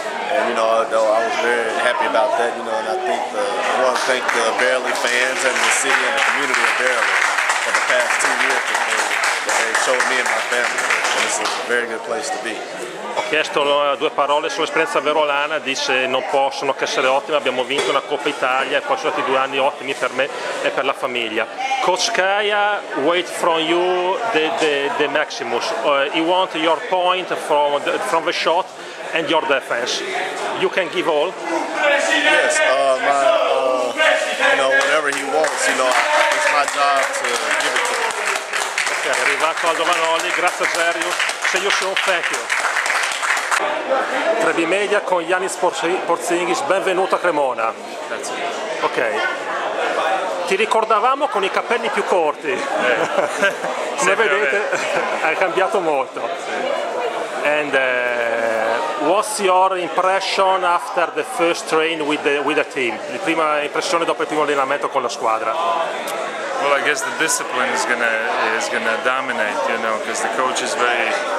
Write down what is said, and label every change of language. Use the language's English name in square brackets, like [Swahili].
[English] And I was very happy about that, and I want to thank the Verily fans and the city and the community of Verily for the past 2 years that they showed me and my family, and it's a very good place to be. [Italian] Ho chiesto due parole sull'esperienza verolana, dice non possono che essere ottime, abbiamo vinto una Coppa Italia e poi sono stati 2 anni ottimi per me e per la famiglia. [English] Coach Kaya wait from you the maximus. He want your point from the shot and your defense. You can give all? Yes, whatever he wants, it's my job to give it to him. [Italian] Ok, arrivato Aldo Vanoli, grazie Zerio, [English] say you soon, thank you. [Italian] Trevi Media con Yannis Porzingis, benvenuto a Cremona. Grazie. Ok. Ti ricordavamo con i capelli più corti. Come vedete, è cambiato molto. [English] And what's your impression after the first train with the team? [Italian] La prima impressione dopo il primo allenamento con la squadra. [English] Well, I guess the discipline is gonna dominate, because the coach is very.